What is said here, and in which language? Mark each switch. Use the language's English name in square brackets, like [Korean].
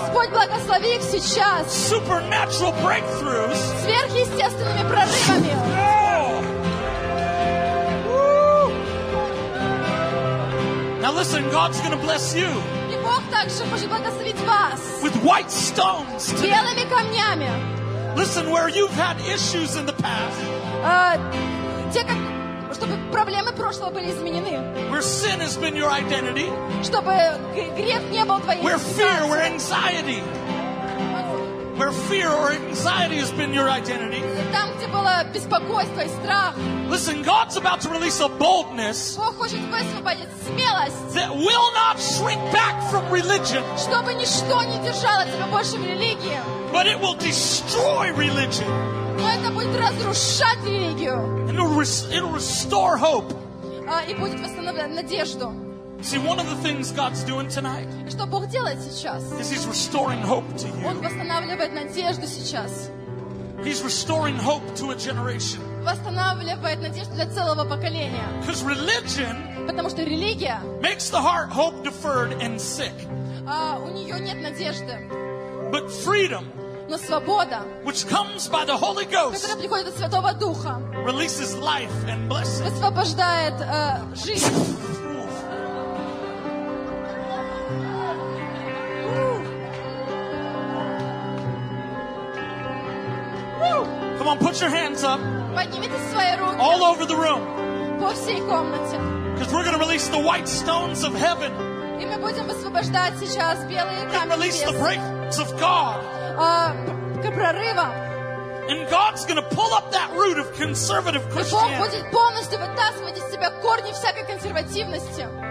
[Russian] Господь, благослови их сейчас. [English] Supernatural breakthroughs. [Russian] Сверхъестественными прорывами. Oh. [English] Now listen, God's going to bless you. [Russian] И Бог также может благословить вас. [English] With white stones. [Russian] Белыми камнями. [English] Listen, where you've had issues in the past. [Russian] Те, как, чтобы проблемы прошлого были изменены. [English] Where sin has been your identity. [Russian] Чтобы грех не был твоей. [English] Where fear, where anxiety. Where fear or anxiety has been your identity. [Russian] Там, где было беспокойство и страх. [English] Listen, God's about to release a boldness. [Russian] Бог хочет высвободить смелость. [English] That will not shrink back from religion. [Russian] Чтобы ничто не держало тебя больше в религии. [English] But it will destroy religion. [Russian] Но это будет разрушать религию. [English] And it'll restore hope. [Russian] И будет восстанавливать надежду. [English] See, one of the things God's doing tonight. [Russian] Что Бог делает сейчас? [English] Is He's restoring hope to you. [Russian] Он восстанавливает надежду сейчас. [English] He's restoring hope to a generation. [Russian] Восстанавливает надежду для целого поколения. [English] Because religion. [Russian] Потому что религия. [English] Makes the heart hope deferred and sick. [Russian] У нее нет надежды. [English] But freedom. [Russian] Но свобода. [English] Which comes by the Holy Ghost. [Russian] Которая приходит от Святого Духа. [English] Releases life and blessing. [Russian] Высвобождает жизнь. [English] Come on, put your hands up. [Russian] Поднимите свои руки. [English] All over the room. [Russian] По всей комнате. [English] Because we're going to release the white stones of heaven. [Russian] И мы будем высвобождать сейчас белые камни. [English] We're going to release the breaks of God. [Russian] Прорыва. [English] And God's going to pull up that root of conservative Christianity. [Russian] Бог будет полностью вытаскивать из себя корни всякой консервативности.